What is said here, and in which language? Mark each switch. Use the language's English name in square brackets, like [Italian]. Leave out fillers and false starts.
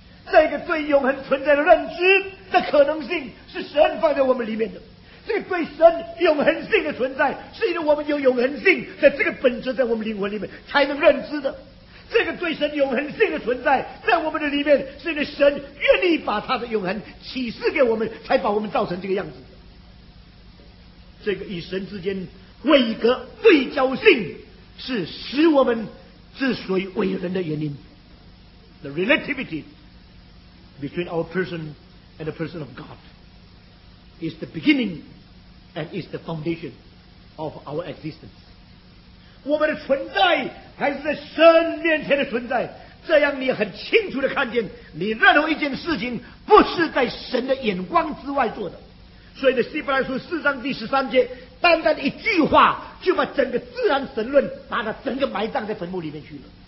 [Chinese] 这个对永恒存在的认知的可能性是神放在我们里面的，这个对神永恒性的存在是因为我们有永恒性在这个本质在我们灵魂里面才能认知的，这个对神永恒性的存在在我们的里面是因为神愿意把他的永恒启示给我们才把我们造成这个样子的。这个与神之间位格对焦性是使我们之所以为人的原因， [English] The relativityBetween our person and the person of God is the beginning and is the foundation of our existence. [Chinese] 我们的存在还是在神面前的存在，这样你很清楚地看见你任何一件事情不是在神的眼光之外做的。所以在希伯来书四章第十三节，单单一句话就把整个自然神论把它整个埋葬在坟墓里面去了。